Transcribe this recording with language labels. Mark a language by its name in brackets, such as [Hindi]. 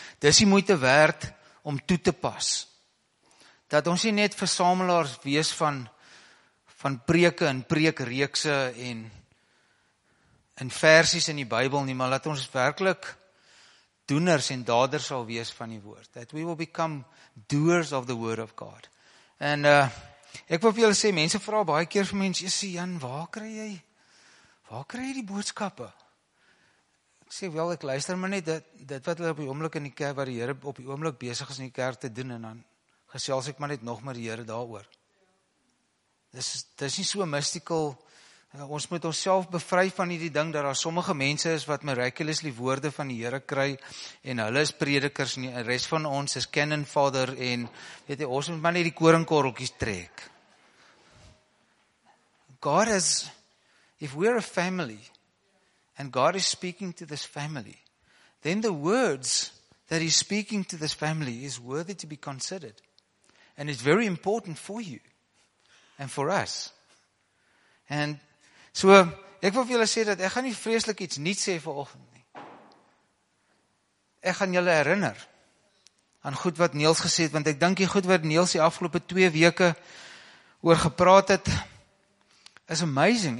[Afrikaans] Dis die moeite werd om toe te pas. Dat ons nie net versamelaars wees van preke en preekreekse en in versies in die Bybel nie, maar dat ons werklik doeners en daders sal wees van die woord. [English] That we will become doers of the word of God. [Afrikaans] En ek wil vir julle sê, mense vra baie keer vir mense, "Jesus Jan, waar kry jy die boodskappe?" Ek sê wel, ek luister maar net dit wat hulle op die oomblik in die kerk, wat die Here op die oomblik besig is in die kerk te doen, en dan gesels ek maar net nog maar die Here daaroor. Dis nie so mystical. Ons moet onsself bevry van hierdie ding dat daar sommige mense is wat miraculously woorde van die Here kry en hulle is predikers en die res van ons is canon fodder en weet jy, ons moet maar net die koringkorreltjies trek. [English] God is, if we're a family and God is speaking to this family, then the words that he's speaking to this family is worthy to be considered and it's very important for you and for us. And so, [Afrikaans] ek wil vir julle sê dat ek gaan nie vreeslik iets nuuts sê vanoggend nie. Ek gaan julle herinner aan goed wat Niels gesê het, want ek dink die goed wat Niels die afgelope 2 weke oor gepraat het, is amazing.